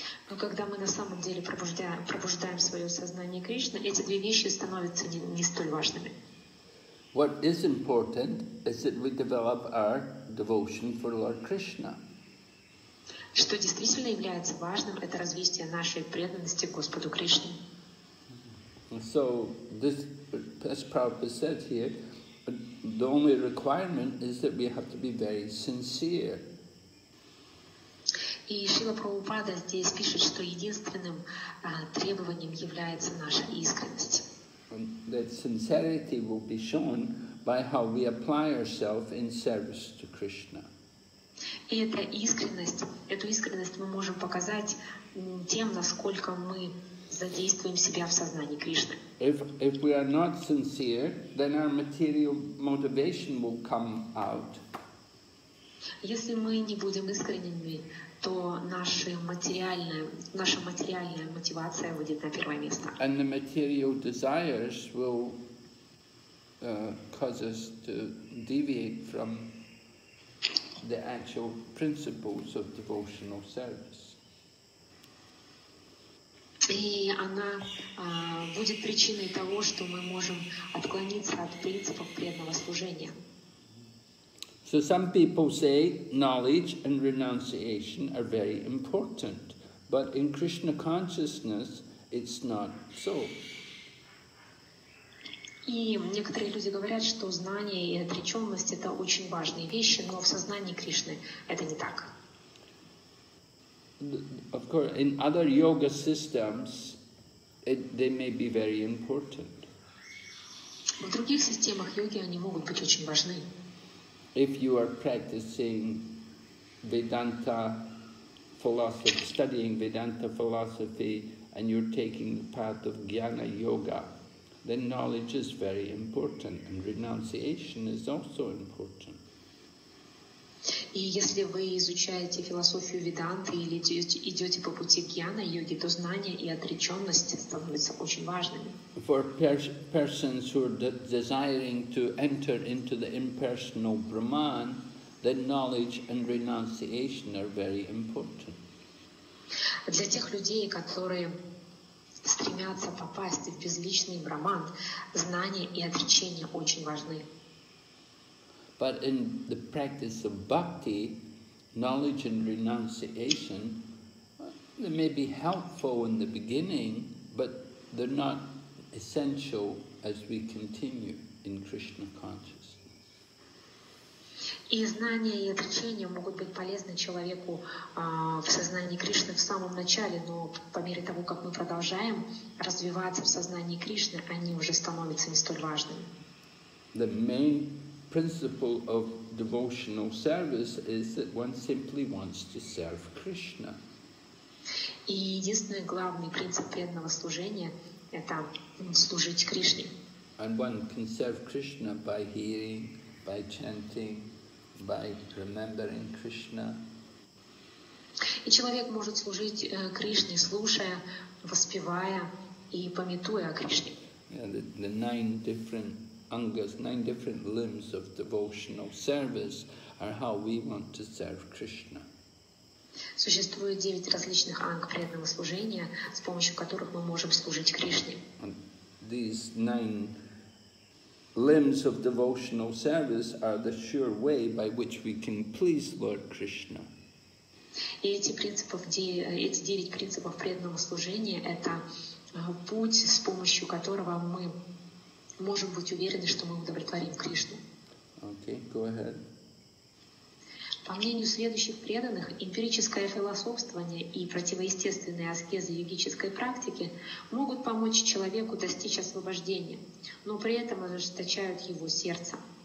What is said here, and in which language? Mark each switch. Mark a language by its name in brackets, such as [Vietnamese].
[Russian] Но когда мы на самом деле пробуждаем свое сознание Кришны, эти две вещи становятся не столь важными. [English] What is important is that we develop our devotion for Lord Krishna. [Russian] Что действительно является важным, это развитие нашей преданности Господу Кришне. [English] So this, as Prabhupada said here, the only requirement is that we have to be very sincere. [Russian] И Шрила Прабхупада здесь пишет, что единственным требованием является наша искренность. [English] And that sincerity will be shown by how we apply ourselves in service to Krishna. [Russian] И эту искренность мы можем показать тем, насколько мы задействуем себя в сознании Кришны. [English] If we are not sincere, then our material motivation will come out. [Russian] Если мы не будем искренними, то наша материальная мотивация выйдет на первое место. [English] And the material desires will cause us to deviate from the actual principles of devotional service. [Russian] И она будет причиной того, что мы можем отклониться от принципов преданного служения. [English] So some people say knowledge and renunciation are very important, but in Krishna consciousness it's not so. [Russian] И некоторые люди говорят, что знание и отреченность — это очень важные вещи, но в сознании Кришны это не так. [English] Of course, in other yoga systems, they may be very important. [Russian] В других системах йоги они могут быть очень важны. [English] If you are practicing Vedanta philosophy, studying Vedanta philosophy, and you're taking the path of Jnana Yoga, then knowledge is very important, and renunciation is also important. [Russian] И если вы изучаете философию Веданты или идете по пути Гьяна-йоги, то знание и отреченность становятся очень важными. [English] For persons who are desiring to enter into the impersonal Brahman, then knowledge and renunciation are very important. [Russian] Для тех людей, которые стремятся попасть в безличный Брахман, знание и отречение очень важны. [English] But in the practice of bhakti, knowledge and renunciation, they may be helpful in the beginning, but they're not essential as we continue in Krishna consciousness. [Russian] И знание и отречение могут быть полезны человеку в сознании Кришны в самом начале, но по мере того, как мы продолжаем развиваться в сознании Кришны, они уже становятся не столь важными. [English] The main principle of devotional service is that one simply wants to serve Krishna. [Russian] И единственный главный принцип преданного служения — это служить Кришне. [English] And one can serve Krishna by hearing, by chanting, by remembering Krishna. [Russian] И человек может служить Кришне, слушая, воспевая и памятуя о Кришне. [English] Yeah, the nine different angas, nine different limbs of devotional service are how we want to serve Krishna. [Russian] Существует девять различных анг преданного служения, с помощью которых мы можем служить Кришне. [English] And these nine limbs of devotional service are the sure way by which we can please Lord Krishna. [Russian] И эти девять принципов преданного служения — это путь, с помощью которого мы можем быть уверены, что мы удовлетворим Кришну. [English] Okay, go ahead. [Russian] По мнению следующих преданных, эмпирическое философствование и противоестественные аскезы йогической практики могут помочь человеку достичь освобождения, но при этом ожесточают его сердце.